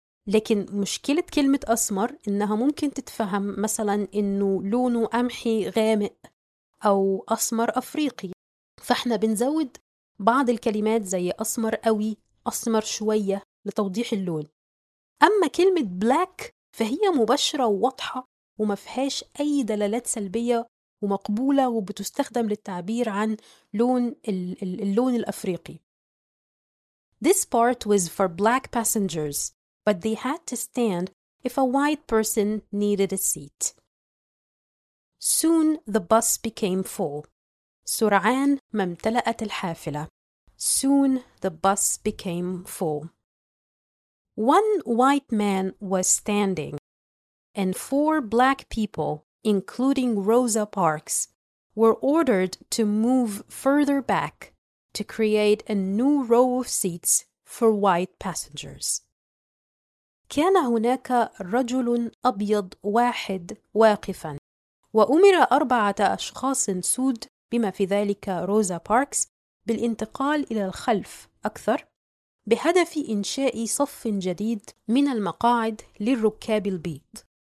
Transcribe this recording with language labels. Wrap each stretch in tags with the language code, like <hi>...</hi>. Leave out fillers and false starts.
<ar>لكن مشكلة كلمة أسمر إنها ممكن تتفهم مثلا إنه لونه قمحي غامق أو أسمر أفريقي، فإحنا بنزود بعض الكلمات زي أسمر قوي أسمر شوية لتوضيح اللون. أما كلمة black فهي مباشرة وواضحة وما فيهاش أي دلالات سلبية ومقبولة وبتستخدم للتعبير عن لون اللون الأفريقي.</ar> <en>This part was for black passengers, but they had to stand if a white person needed a seat. Soon the bus became full.</en> <ar>سرعان ما امتلأت الحافلة.</ar> <en>Soon the bus became full. One white man was standing, and four black people, including Rosa Parks, were ordered to move further back to create a new row of seats for white passengers.</en> <ar>كان هناك رجل أبيض واحد واقفا وأمر أربعة أشخاص سود بما في ذلك روزا باركس بالانتقال إلى الخلف أكثر بهدف إنشاء صف جديد من المقاعد للركاب البيض</ar>